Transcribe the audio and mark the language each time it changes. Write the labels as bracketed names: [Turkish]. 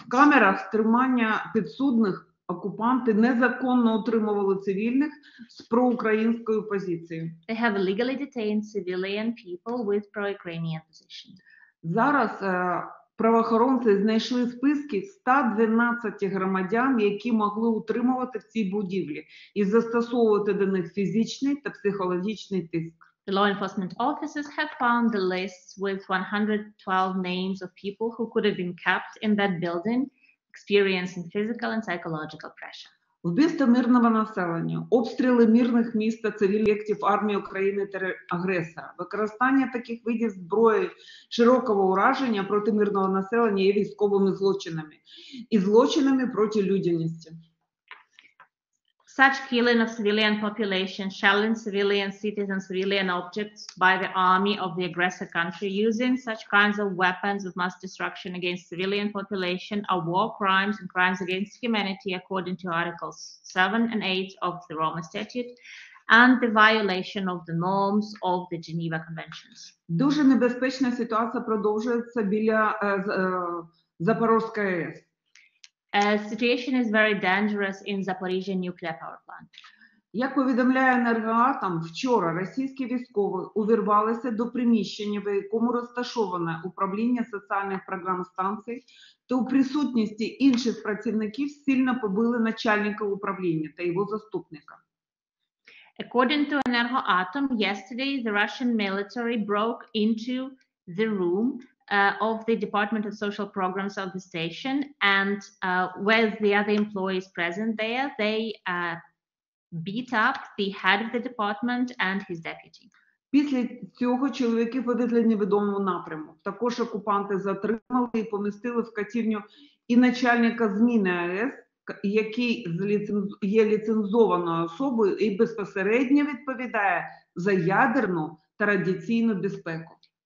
[Ukrainian] В камерах тримання підсудних окупанти незаконно утримували цивільних з проукраїнською позицією. [English] They have illegally detained civilian people with pro-Ukrainian position. [Ukrainian] Зараз правоохоронці знайшли списки 112 громадян, які могли утримувати в цій будівлі і застосовувати до них фізичний та психологічний тиск. [English] The law enforcement officers have found the lists with 112 names of people who could have been kept in that building, experiencing physical and psychological pressure. [Ukrainian] Вбивство мирного населення, обстріли мирних міст та цивільних об'єктів армії України та агресора, використання таких видів зброї широкого ураження проти мирного населення є військовими злочинами і злочинами проти людяності. [English] Such killing of civilian population, shelling civilian cities and civilian objects by the army of the aggressor country, using such kinds of weapons of mass destruction against civilian population are war crimes and crimes against humanity according to Articles 7 and 8 of the Roma Statute and the violation of the norms of the Geneva Conventions. [Ukrainian] Дуже небезпечна ситуація продовжується біля Запорізької АЕС. [English] Situation is very dangerous in Zaporizhzhia nuclear power plant. [Ukrainian] Як повідомляє Енергоатом, вчора російські військові увірвалися до приміщення, в якому розташоване управління соціальних програм станції, та у присутності інших працівників сильно побили начальника управління та його заступника. [English] According to Energoatom, yesterday the Russian military broke into the room of the Department of Social Programs of the station, and with the other employees present there, they beat up the head of the department and his deputy. [Ukrainian] Після цього чоловіки повезли невідомого напряму. Також окупанти затримали і помістили в катівню і начальника зміни АЕС, який є ліцензованою особою і безпосередньо відповідає за ядерну та радіаційну безпеку.